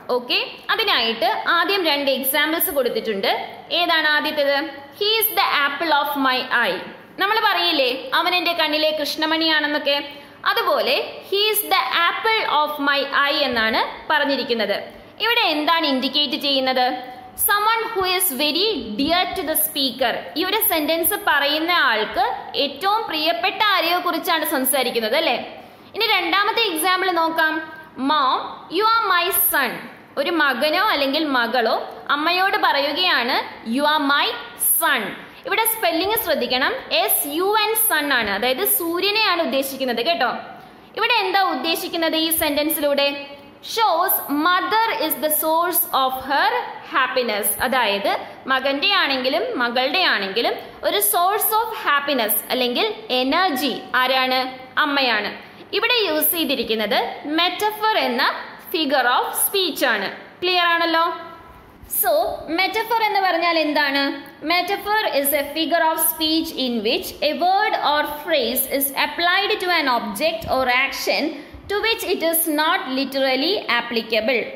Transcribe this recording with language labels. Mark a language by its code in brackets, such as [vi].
[ml] Okay, അതിനായിട്ട് ആദ്യം രണ്ട് എക്സാമ്പിൾസ് കൊടുത്തിട്ടുണ്ട്. ഏതാണ് ആദ്യത്തേത്? [en] He's the apple of my eye. [ml] നമ്മൾ പറയില്ലേ അവൻ എന്റെ കണ്ണിലെ കൃഷ്ണമണിയാണെന്നൊക്കെ, അതുപോലെ he's the apple of my I എന്നാണ് പറഞ്ഞിരിക്കുന്നത്. ഇവിടെ എന്താണ് ഇൻഡിക്കേറ്റ് ചെയ്യുന്നത്? [en] Someone who is very dear to the speaker. [ml] ഈ ഒരു സെന്റൻസ് പറയുന്ന ആൾക്ക് ഏറ്റവും പ്രിയപ്പെട്ട ആരെയോ കുറിച്ചാണ് സംസാരിക്കുന്നത് അല്ലേ. ഇനി രണ്ടാമത്തെ എക്സാമ്പിൾ നോക്കാം. [en] Mom, you are my son. [ml] ഒരു മകനോ അല്ലെങ്കിൽ മകളോ അമ്മയോട് പറയുകയാണ് [en] You are my son. [ml] ഇവിടെ സ്പെല്ലിംഗ് ശ്രദ്ധിക്കണം, എസ് യു എൻ സൺ ആണ്, അതായത് സൂര്യനെയാണ് ഉദ്ദേശിക്കുന്നത് കേട്ടോ. ഇവിടെ എന്താ ഉദ്ദേശിക്കുന്നത് ഈ സെന്റൻസിലൂടെ? [en] Shows mother is the source of her happiness. [ml] അതായത് മകന്റെ ആണെങ്കിലും മകളുടെ ആണെങ്കിലും ഒരു സോഴ്സ് ഓഫ് ഹാപ്പിനെസ് അല്ലെങ്കിൽ എനർജി ആരാണ്? അമ്മയാണ്. ഇവിടെ യൂസ് ചെയ്തിരിക്കുന്നത് മെറ്റഫർ എന്ന ഫിഗർ ഓഫ് സ്പീച്ച് ആണ്. ക്ലിയർ ആണല്ലോ. സോ മെറ്റഫർ എന്ന് പറഞ്ഞാൽ എന്താണ്? [en] Metaphor is a figure of speech in which a word or phrase is applied to an object or action to which it is not literally applicable.